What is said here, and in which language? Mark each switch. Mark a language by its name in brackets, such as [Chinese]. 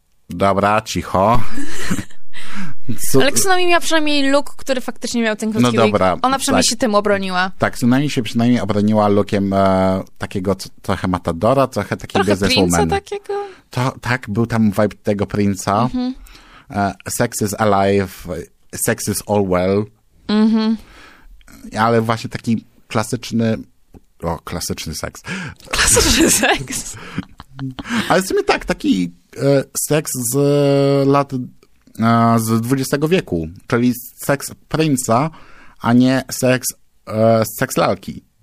[Polish] Dobra, cicho. Ale Ksunami miała przynajmniej look, który faktycznie miał ten krótki [English] wig. [Polish] Ona przynajmniej się tym obroniła. Tak, Ksunami się przynajmniej obroniła lookiem takiego trochę matadora, trochę takiego businesswoman. Trochę princa takiego. Tak, był tam vibe tego princa. [English] Sex is alive, sex is all well. [Polish] Ale właśnie taki klasyczny... klasyczny seks. Klasyczny seks? Ale w sumie tak, taki seks z lat... z XX wieku. Czyli seks princa, a nie seks lalki.